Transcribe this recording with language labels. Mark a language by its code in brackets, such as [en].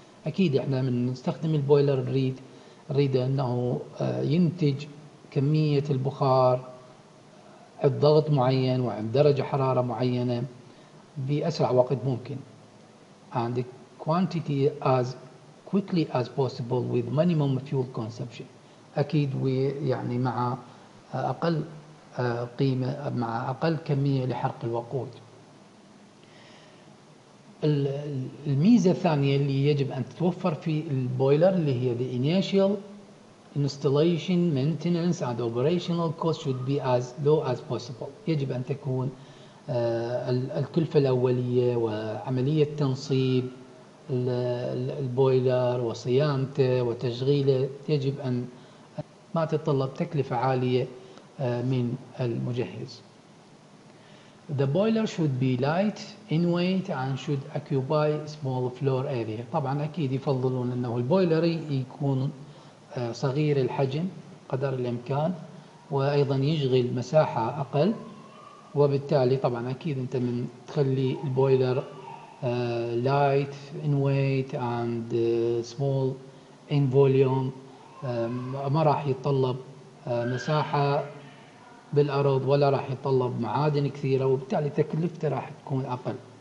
[ar] أكيد إحنا من نستخدم البويلر نريد أنه ينتج كمية البخار عند ضغط معين وعند درجة حرارة معينة بأسرع وقت ممكن. [en] And the quantity as quickly as possible with minimum fuel consumption. [ar] أكيد يعني مع أقل قيمة، مع أقل كمية لحرق الوقود. الميزة الثانية اللي يجب أن تتوفر في البويلر، اللي هي [en] the initial installation, maintenance and operational cost should be as low as possible. [ar] يجب أن تكون الكلفة الأولية وعملية تنصيب البويلر وصيانته وتشغيله يجب أن ما تتطلب تكلفة عالية من المجهز. [en] The boiler should be light in weight and should occupy small floor area. [ar] طبعا اكيد يفضلون انه البويلر يكون صغير الحجم قدر الامكان، وايضا يشغل مساحة اقل، وبالتالي طبعا اكيد انت من تخلي البويلر [en] light in weight and small in volume [ar] ما راح يتطلب مساحة بالأرض، ولا راح يتطلب معادن كثيرة، وبالتالي تكلفته راح تكون أقل.